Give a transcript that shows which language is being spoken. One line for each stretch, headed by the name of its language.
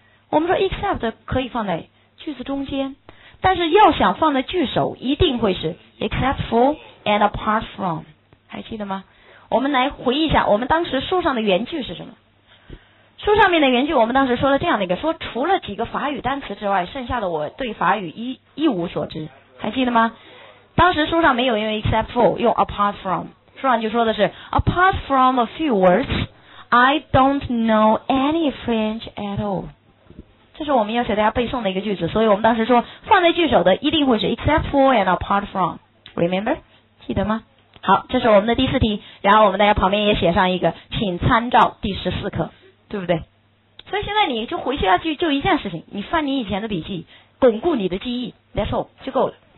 Chinese: 我们说 except 可以放在句子中间，但是要想放在句首一定会是
English: except for and apart from,
Chinese: 还记得吗？我们来回忆一下我们当时书上的原句是什么。书上面的原句我们当时说了这样的一个，说除了几个法语单词之外，剩下的我对法语一无所知，还记得吗？当时书上没有用 except for, 用
English: apart from, 书上就说的是 apart from a few words I don't know any French at all,
Chinese: 这是我们要求大家背诵的一个句子。所以我们当时说放在句首的一定会是
English: except for and apart from, remember,
Chinese: 记得吗？好，这是我们的第四题，然后我们大家旁边也写上一个，请参照第十四课，对不对？所以现在你就回去要去就一件事情，你翻你以前的笔记，巩固你的记忆 ，
English: That's all,
Chinese: 就够了。